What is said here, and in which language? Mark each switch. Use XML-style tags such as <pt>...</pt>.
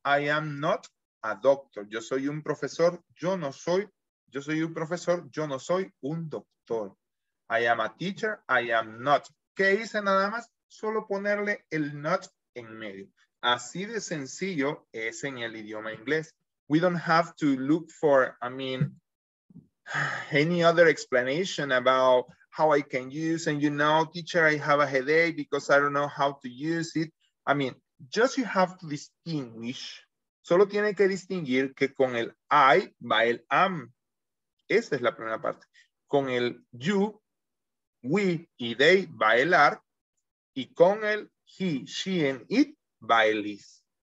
<en>I am not a doctor.</en> <es>Yo soy un profesor. Yo no soy un doctor.</es> <en>I am a teacher, I am not.</en> <es>¿Qué hice nada más? Solo ponerle el not en medio. Así de sencillo es en el idioma inglés.</es> <en>We don't have to look for, I mean, any other explanation about how I can use, and you know, teacher, I have a headache because I don't know how to use it. I mean, just you have to distinguish.</en> <es>Solo tiene que distinguir que con el I va el am. Esa es la primera parte. Con el you, we y they va el are. Y con el he, she and it va el is.</es>